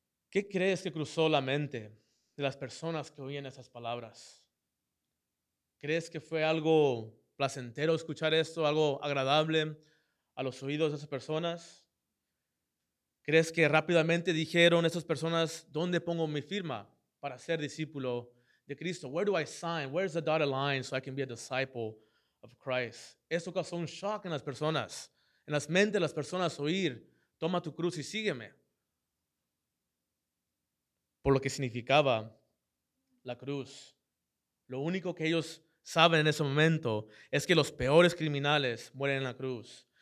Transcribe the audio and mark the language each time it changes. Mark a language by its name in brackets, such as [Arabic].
[Spanish] ¿Qué crees que cruzó la mente de las personas que oían esas palabras? ¿Crees que fue algo placentero escuchar esto, algo agradable a los oídos de esas personas? ¿Crees que rápidamente dijeron esas personas, ¿dónde pongo mi firma para ser discípulo de Cristo? [English] Where do I sign? Where's the dotted line so I can be a disciple of Christ? [Spanish] Eso causó un shock en las personas, en las mentes de las personas, oír, toma tu cruz y sígueme. Por lo que significaba la cruz. Lo único que ellos saben en ese momento es que los peores criminales mueren en la cruz.